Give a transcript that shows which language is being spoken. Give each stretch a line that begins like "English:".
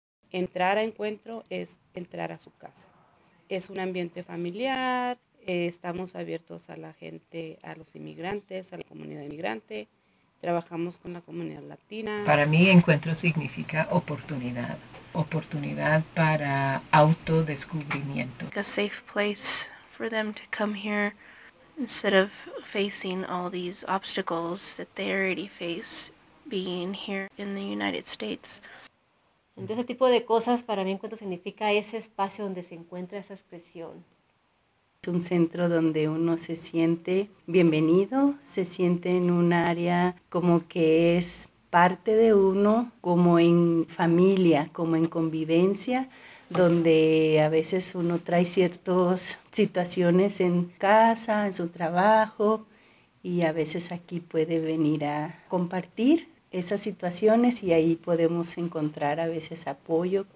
Spanish: Entrar a encuentro es entrar a su casa. Es un ambiente familiar, estamos abiertos a la gente, a los inmigrantes, a la comunidad inmigrante, trabajamos con la comunidad latina. Para mí, encuentro significa oportunidad, oportunidad para autodescubrimiento.
English: A safe place for them to come here instead of facing all these obstacles that they already face being here in the United States.
Spanish: Entonces, ese tipo de cosas para mí encuentro significa ese espacio donde se encuentra esa expresión. Es un centro donde uno se siente bienvenido, se siente en un área como que es parte de uno, como en familia, como en convivencia, donde a veces uno trae ciertas situaciones en casa, en su trabajo, y a veces aquí puede venir a compartir esas situaciones y ahí podemos encontrar a veces apoyo.